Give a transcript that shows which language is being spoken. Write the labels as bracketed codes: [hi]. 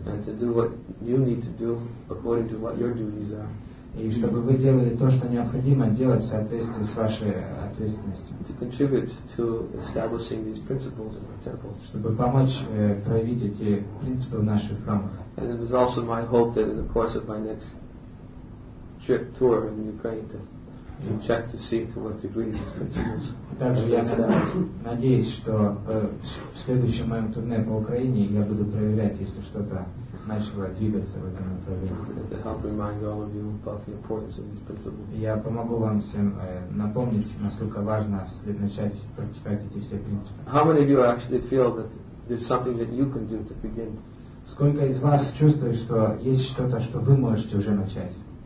[en] And to do what you need to do according to what your duties are. [ru] И чтобы вы делали то, что необходимо делать в соответствии с вашей ответственностью. [en] To contribute to establishing these principles in our temples. [ru] Чтобы помочь проявить эти принципы в наших храмах. [en] And it is also my hope that in the course of my next trip tour in Ukraine to check to see to what degree these principles. [ru] Также я надеюсь, что в следующем моем турне по Украине я буду проверять, если что-то начало двигаться в этом направлении. [en] To help remind all of you about the importance of these principles. [ru] Я помогу вам всем напомнить, насколько важно начать практиковать эти все принципы. [en] How many of you actually feel that there's something that you can do to begin? [ru] Сколько из вас чувствует, что есть что-то, что вы можете уже начать?